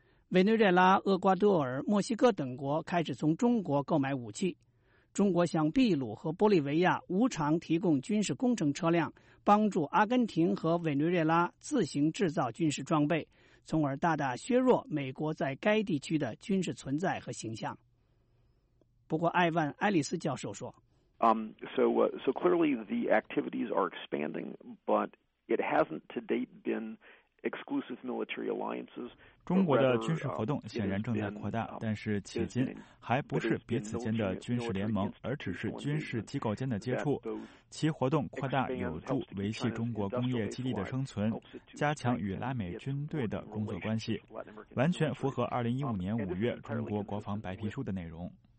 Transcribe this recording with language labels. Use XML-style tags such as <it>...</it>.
<zh>委内瑞拉、厄瓜多尔、墨西哥等国开始从中国购买武器，中国向秘鲁和玻利维亚无偿提供军事工程车辆，帮助阿根廷和委内瑞拉自行制造军事装备，从而大大削弱美国在该地区的军事存在和形象。不过艾万·埃里斯教授说，</zh> <en>So clearly the activities are expanding, but it hasn't to date been exclusive military alliances.</en> <zh>中国的军事活动显然正在扩大，但是迄今还不是彼此间的军事联盟，而只是军事机构间的接触。其活动扩大有助维系中国工业基地的生存，加强与拉美军队的工作关系，完全符合2015年5月中国国防白皮书的内容。</zh>